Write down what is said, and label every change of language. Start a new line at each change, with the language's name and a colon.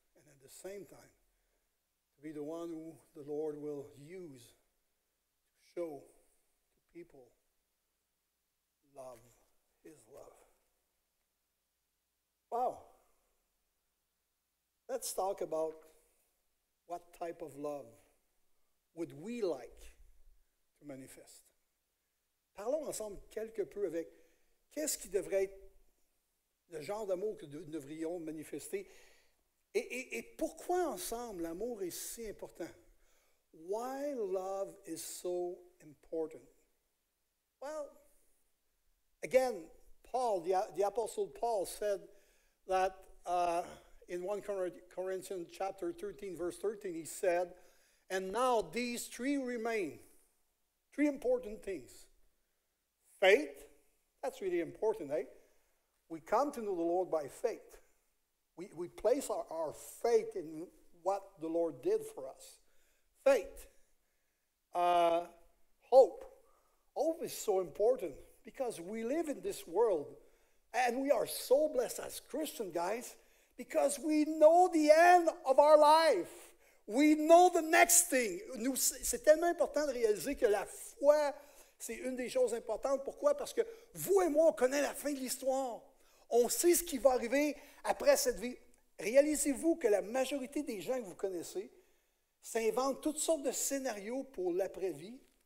English: And at the same time, to be the one who the Lord will use to show people love his love. Wow. Let's talk about what type of love would we like to manifest.
French: Parlons ensemble quelque peu avec qu'est-ce qui devrait être le genre d'amour que nous devrions manifester et pourquoi ensemble l'amour est si important.
English: Why love is so important? Well, again, Paul, the Apostle Paul said that in 1 Corinthians chapter 13, verse 13, he said, and now these three remain, three important things. Faith, that's really important, eh? We come to know the Lord by faith. We place our faith in what the Lord did for us. Faith, hope. Hope is so important because we live in this world and we are so blessed as Christian guys because we know the end of our life. We know the next thing.
French: C'est tellement important de réaliser que la foi, c'est une des choses importantes. Pourquoi? Parce que vous et moi, on connaît la fin de l'histoire. On sait ce qui va arriver après cette vie. Réalisez-vous que la majorité des gens que vous connaissez s'inventent toutes sortes de scénarios pour l'après-vie.